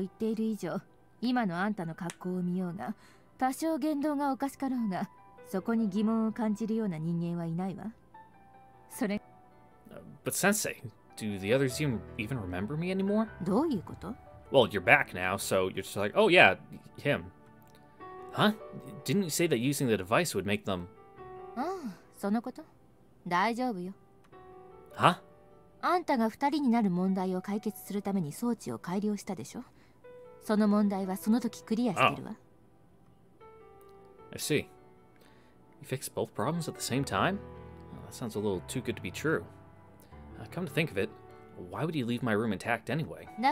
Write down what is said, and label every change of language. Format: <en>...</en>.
<ja>私の任務と言っている以上、今のあんたの格好を見ようが、 多少言動がおかしかろうが、そこに疑問を感じるような人間はいないわ。それ…</ja> <en>But Sensei, do the others even remember me anymore?</en> <ja>どういうこと?</ja> <en>Well, you're back now, so you're just like, oh yeah, him. Huh? Didn't you say that using the device would make them…</en> <ja>うん、そのこと。大丈夫よ。</ja> <en>Huh?</en> <ja>あんたが二人になる問題を解決するために装置を改良したでしょ。その問題はその時クリアしてるわ。</ja> <en>Oh. I see. You fixed both problems at the same time? Well, that sounds a little too good to be true. Come to think of it, why would you leave my room intact anyway?</en>